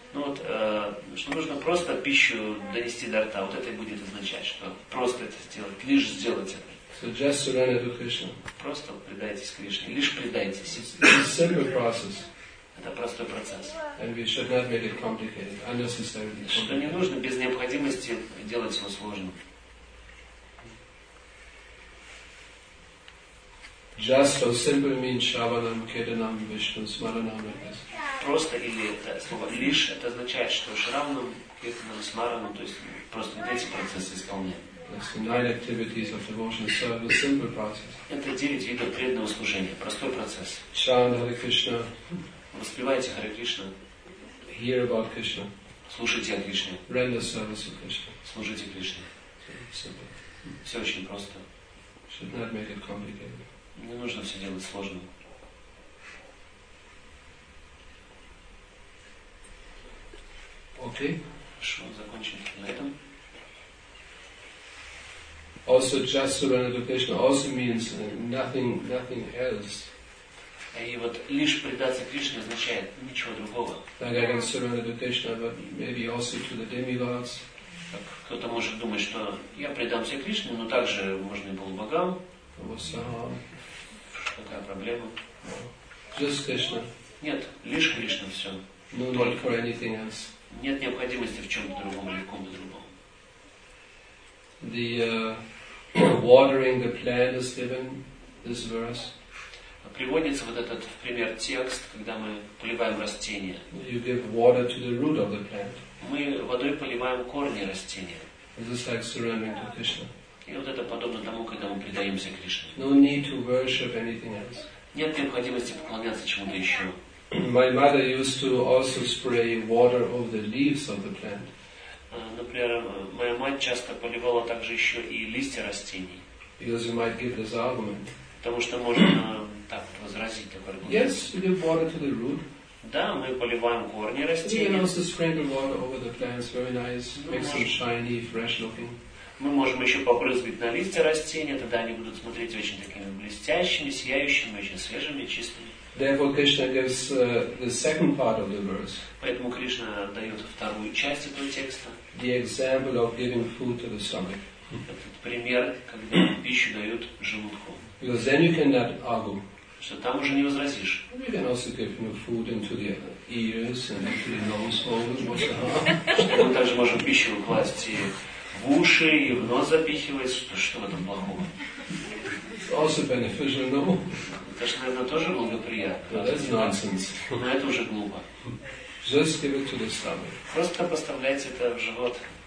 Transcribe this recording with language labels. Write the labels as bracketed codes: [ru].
[ru] Ну вот, что нужно просто пищу донести до рта. Вот это и будет означать, что просто это сделать, лишь сделать это. [en] So just surrender to Krishna. [ru] Просто предайтесь Кришне, лишь предайтесь. [en] It's a simple process. [ru] Это простой процесс. [en] And we should not make it complicated, unnecessarily complicated. [ru] Что не нужно без необходимости делать его сложным. [en] Just or simple means shavanam, kirtanam, vishnu, smaranam, yes. [ru] Просто или это слово лишь, это означает, что шравнам, киртанам, смаранам, то есть просто вот эти процессы исполняют. Это 9 видов преданного служения, простой процесс. [en] Chant Hare Krishna. [ru] Воспевайте Харе Кришна. [en] Hear about Krishna. [ru] Слушайте о Кришне. [en] Render service to Krishna. [ru] Служите Кришне. Все очень просто. [en] Should not make it complicated. [ru] Не нужно все делать сложным. Окей. Хорошо, закончим на этом. [en] Also, just surrender to Krishna also means nothing else. [ru] И вот лишь предаться Кришне означает ничего другого. [en] Like I can surrender to Krishna, but maybe also to the demigods. [ru] Так, кто-то может думать, что я предамся Кришне, но также можно и полубогам. Какая проблема? [en] Just Krishna. [ru] Нет, лишь Кришна, все. [en] No [ru] только. [en] Need for anything else. [ru] Нет необходимости в чем-то другом или в ком-то другом. [en] The watering the plant is given, this verse. [ru] Приводится вот этот в пример текст, когда мы поливаем растения. [en] You give water to the root of the plant. [ru] Мы водой поливаем корни растения. [en] This is like surrendering to Krishna. [ru] И вот это подобно тому, когда мы предаемся Кришне. [en] No need to worship anything else. [ru] Нет необходимости поклоняться чему-то еще. [en] My mother used to also spray water over the leaves of the plant. [ru] Например, моя мать часто поливала также еще и листья растений. [en] Because you might give this argument. [ru] Потому что можно так возразить такой аргумент. [en] Yes, we give water to the root. [ru] Да, мы поливаем корни растений. [en] You can also spray the water over the plants. Very nice. Makes them shiny, fresh looking. [ru] Мы можем еще побрызгать на листья растения, тогда они будут смотреть очень такими блестящими, сияющими, очень свежими, чистыми. [en] Therefore, Krishna gives the second part of the verse. [ru] Поэтому Кришна дает вторую часть этого текста. [en] The example of giving food to the stomach. [ru] Этот пример, когда пищу дают желудку. [en] Because then you cannot argue. [ru] Что там уже не возразишь. [en] You can also give food into the ears and into the nose holes. [ru] Что мы также можем пищу укласть и в уши и в нос запихивать, что в этом плохого? [en] Also beneficial, no? [ru] Это же, наверное, тоже благоприятно. [en] That's nonsense. [ru] Но это уже глупо. [en] Just give it to the stomach. [ru] Просто поставляйте это в живот.